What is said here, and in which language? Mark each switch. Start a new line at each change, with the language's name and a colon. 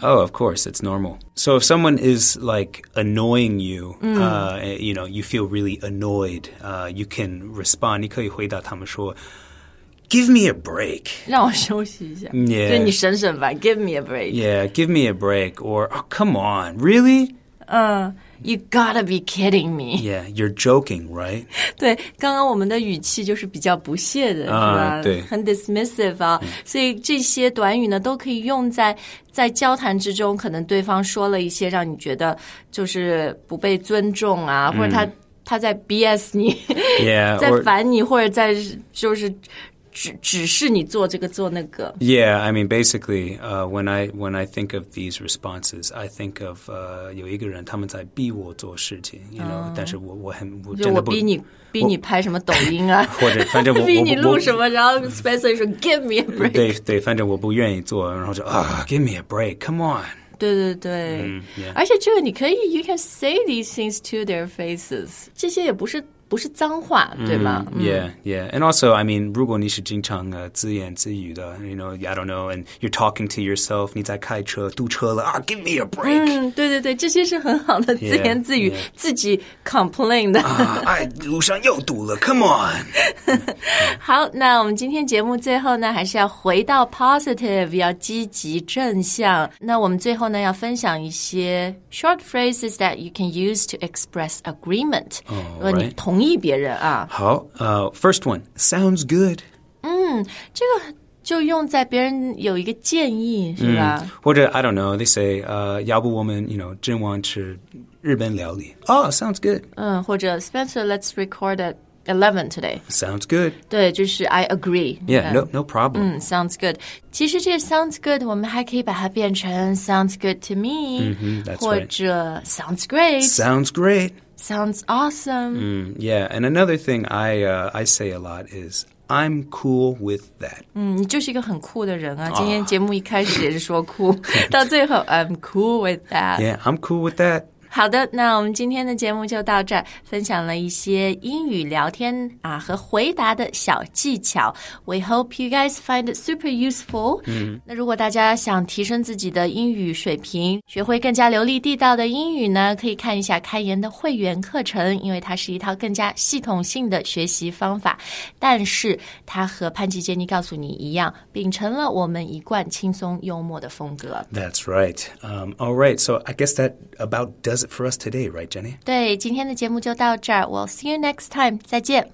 English: Oh, of course, it's normal. So if someone is like annoying you,、you know, you feel really annoyed, you can respond.
Chinese: 你可以回答他们说。
English: Give me a break.
Chinese: 让我休息一下。
English: Yeah.
Chinese: 就你省省吧。
English: Give me a break. Yeah, give me a break. Or,、oh, come on, really? You gotta be kidding me. Yeah, you're joking, right?
Chinese: 对，刚刚我们的语气就是比较不屑的，是吧？对，很 dismissive 啊。所以这些短语呢，都可以用在交谈之中，可能对方说了一些让你觉得就是不被尊重啊，或者他在 BS 你，
English: yeah,
Chinese: 在烦你，或者在就是。只是你做这个做那个。
English: Yeah, I mean, basically,、when I think of these responses, I think of、
Chinese: 有一个人他们在逼我做事情，
English: you know,、
Chinese: 但是我很我真的不。就我逼你拍什么抖音啊，或者反正我逼你录什么，然后 Spencer 说
English: Give me a break。
Chinese: 对对，反正我不愿意做，然后就啊、
English: Give me a break, come on。
Chinese: 对对对，
English: yeah.
Chinese: 而且这个你可以
English: You can say these things to their faces，
Chinese: 这些也不是。不是脏话，对吗？
English: Yeah, yeah. And also, I mean,
Chinese: 如果你是经常自言自语的,
English: you know, I don't know, and you're talking to yourself,
Chinese: 你在开车,堵车了,
English: give me a break.
Chinese: 对对对,这些是很好的自言自语,
English: yeah, yeah.
Chinese: 自己 complain 的。路上又堵了,
English: come on.
Chinese: 好,那我们今天节目最后呢,还是要回到 positive, 要积极正向。那我们最后呢,要分享一些
English: short phrases that you can use to express agreement. Oh, right.
Chinese: 同意别人啊。
English: 好，first one, sounds good.
Chinese: 这个就用在别人有一个建议是吧、
English: 嗯、或者 I don't know they say、
Chinese: 要不我们
English: you know
Chinese: 真望吃日本料理
English: Oh sounds good、嗯、或者 Spencer let's record at 11 today Sounds good
Chinese: 对就是
English: I agree Yeah、嗯、no problem、
Chinese: 嗯、Sounds good 其实这个 sounds good 我们还可以把它变成
English: sounds good to me、 mm-hmm, that's
Chinese: 或者、
English: right. sounds great Sounds great Sounds awesome、 mm, Yeah and another thing I say a lot isI'm cool with that.
Chinese: 嗯，你就是一个很酷的人啊。今天节目一开始也是说酷，到最后
English: I'm cool with that. Yeah, I'm cool with that.
Chinese: 好的，那我们今天的节目就到这儿，分享了一些英语聊天啊和回答的小技巧。
English: We hope you guys find it super useful.
Chinese: 嗯，那如果大家想提升自己的英语水平，学会更加流利地道的英语呢，可以看一下开言的会员课程，因为它是一套更加系统性的学习方法。但是它和潘吉杰尼告诉你一样，秉承了我们一贯轻松幽默的风格。
English: That's right. All right. So I guess that about does it for us today, right, Jenny?
Chinese: 对，今天的节目就到这儿。
English: We'll see you next time.
Chinese: 再见。